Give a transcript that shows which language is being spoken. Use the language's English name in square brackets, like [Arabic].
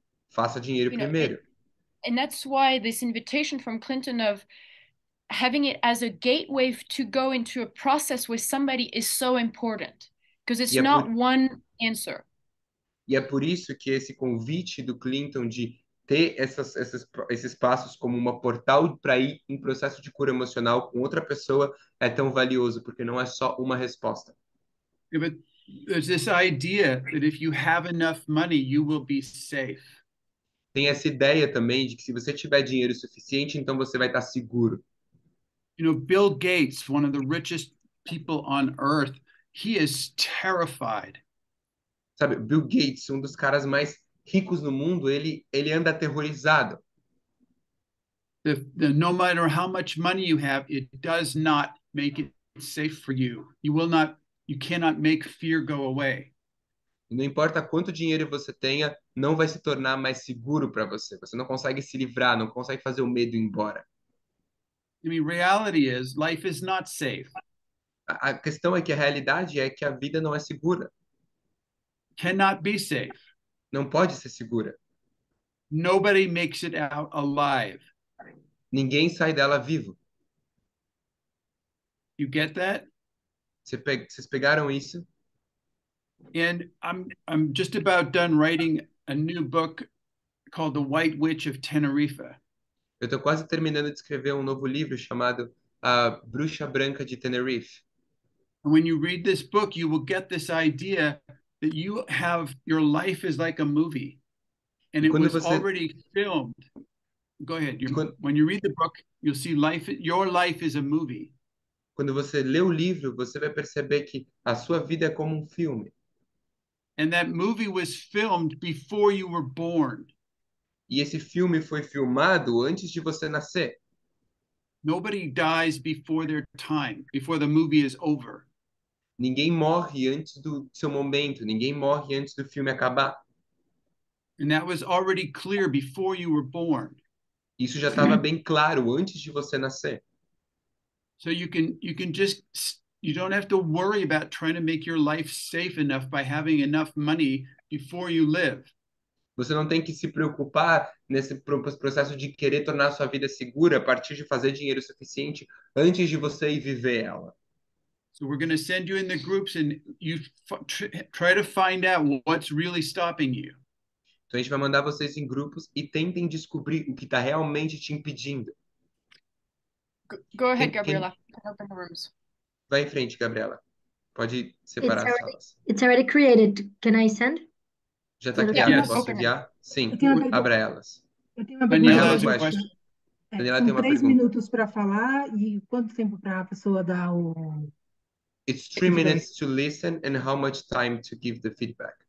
[Portuguese] Faça dinheiro primeiro. [English] And that's why this invitation from Clinton of having it as a gateway to go into a process with somebody is so important. Because it's not one answer. [Portuguese] E é por isso que esse convite do Clinton de ter esses passos como uma portal para ir em processo de cura emocional com outra pessoa é tão valioso, porque não é só uma resposta. [English] Yeah, but there's this idea that if you have enough money, you will be safe. [Portuguese] Tem essa ideia também de que se você tiver dinheiro suficiente, então você vai estar seguro. [English] You know, Bill Gates, one of the richest people on earth, he is terrified. [Portuguese] Sabe, Bill Gates, um dos caras mais ricos no mundo, ele anda aterrorizado. [English] No matter how much money you have, it does not make it safe for you. You cannot make fear go away. [Portuguese] Não importa quanto dinheiro você tenha, não vai se tornar mais seguro para você. Você não consegue se livrar, não consegue fazer o medo ir embora. [English] I mean, reality is, life is not safe. [Portuguese] A questão é que a realidade é que a vida não é segura. [English] Cannot be safe. [Portuguese] Não pode ser segura. [English] Nobody makes it out alive. [Portuguese] Ninguém sai dela vivo. [English] You get that? [Portuguese] Vocês pegaram isso? [English] And I'm just about done writing a new book called The White Witch of Tenerife. [Portuguese] Eu tô quase terminando de escrever um novo livro chamado A Bruxa Branca de Tenerife. [English] When you read this book, you will get this idea that you have, your life is like a movie. And it was already filmed. Go ahead. When you read the book, you'll see your life is a movie. [Portuguese] Quando você lê o livro, você vai perceber que a sua vida é como um filme. [English] And that movie was filmed before you were born. [Portuguese] E esse filme foi filmado antes de você nascer. [English] Nobody dies before their time, before the movie is over. [Portuguese] Ninguém morre antes do seu momento, ninguém morre antes do filme acabar. [English] And that was already clear before you were born. [Portuguese] Isso já estava bem claro antes de você nascer. [English] So you don't have to worry about trying to make your life safe enough by having enough money before you live. [Portuguese] Você não tem que se preocupar nesse processo de querer tornar sua vida segura a partir de fazer dinheiro suficiente antes de você ir viver ela. [English] So we're going to send you in the groups and you try to find out what's really stopping you. [Portuguese] Então a gente vai mandar vocês em grupos e tentem descobrir o que está realmente te impedindo. [English] Go ahead, Gabriela. Open the rooms. [Portuguese] Vai em frente, Gabriela. Pode separar as salas. [English] It's already created. Can I send? [Portuguese] Já está criado, [English] yes. [Portuguese] Posso enviar? Sim, abra elas. Eu tenho uma pergunta. Daniela tem uma pergunta. Daniela tem uma pergunta. 3 minutos para falar e quanto tempo para a pessoa dar o... [English] It's 3 minutes to listen and how much time to give the feedback.